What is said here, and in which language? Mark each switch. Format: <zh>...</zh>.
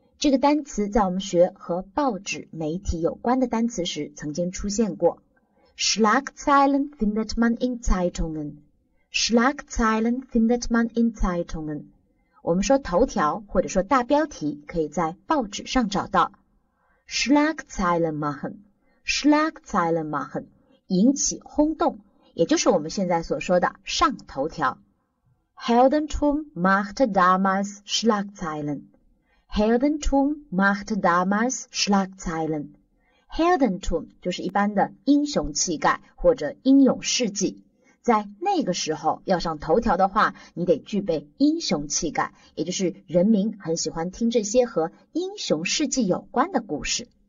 <zh>这个单词在我们学和报纸、媒体有关的单词时曾经出现过。</zh> <de>Schlagzeilen findet man in Zeitungen. Schlagzeilen findet man in Zeitungen.</de> <zh>我们说头条或者说大标题可以在报纸上找到。</zh> <de>Schlagzeilen machen,</de> <zh>引起轰动，也就是我们现在所说的上头条。</zh> <de>Heldentum machte damals Schlagzeilen.</de> <zh>Heldentum 就是一般的英雄气概或者英勇事迹。在那个时候要上头条的话，你得具备英雄气概，也就是人民很喜欢听这些和英雄事迹有关的故事。</zh>